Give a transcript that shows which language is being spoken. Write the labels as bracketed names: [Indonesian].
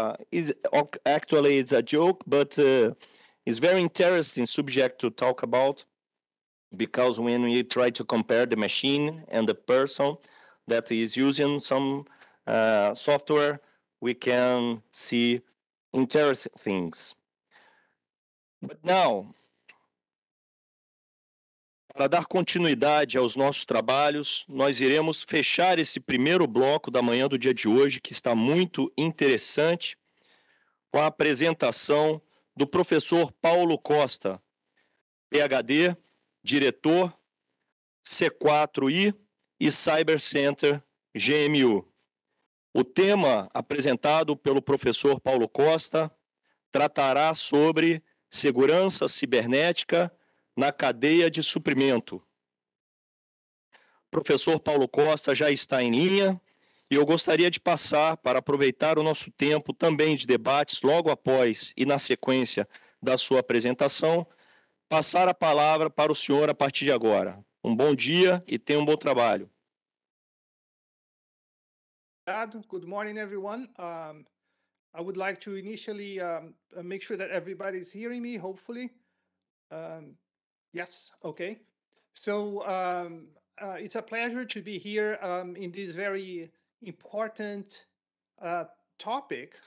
[English] it's a joke, but it's very interesting subject to talk about, because when we try to compare the machine and the person that is using some software, we can see interesting things. But now, [Portuguese] para dar continuidade aos nossos trabalhos, nós iremos fechar esse primeiro bloco da manhã do dia de hoje, que está muito interessante, com a apresentação do professor Paulo Costa, PhD, diretor C4I e Cyber Center GMU. O tema apresentado pelo professor Paulo Costa tratará sobre segurança cibernética na cadeia de suprimento. Professor Paulo Costa já está em linha e eu gostaria de passar para aproveitar o nosso tempo também de debates logo após e na sequência da sua apresentação, passar a palavra para o senhor a partir de agora. Um bom dia e tenha um bom trabalho. [English] Good morning, everyone. I would like to initially make sure that everybody's hearing me, hopefully. Yes, okay. So it's a pleasure to be here in this very important topic.